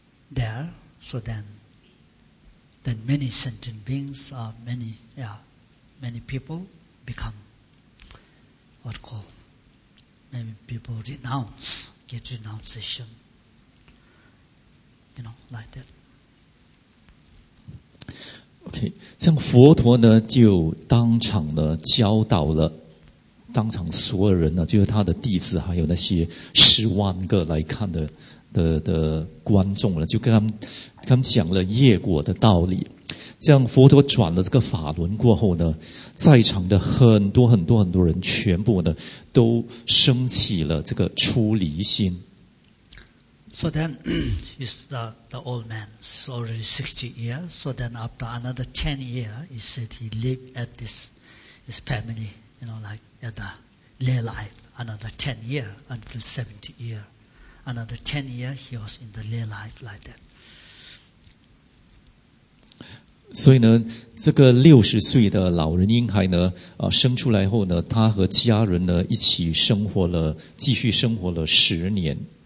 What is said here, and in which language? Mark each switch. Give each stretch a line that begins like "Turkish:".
English: There, so then many sentient beings, many people become what call, many people get renunciation, you know, like that.
Chinese: OK, 像佛陀呢就当场呢教导了当场所有人呢，就是他的弟子还有那些十万个来看的观众了，就跟他们讲了业果的道理。像佛陀转了这个法轮过后呢，在场的很多很多很多人全部呢都升起了这个出离心。
English: So then, he's the old man. He's already 60 years. So then, after another 10 years, he said he lived at his family, you know, like at the lay life, another 10 years until 70 years. Another 10 years, he was in the lay life like that.
Chinese: 所以呢，这个60岁的老人婴孩呢，生出来后呢，他和家人呢一起生活了，继续生活了十年。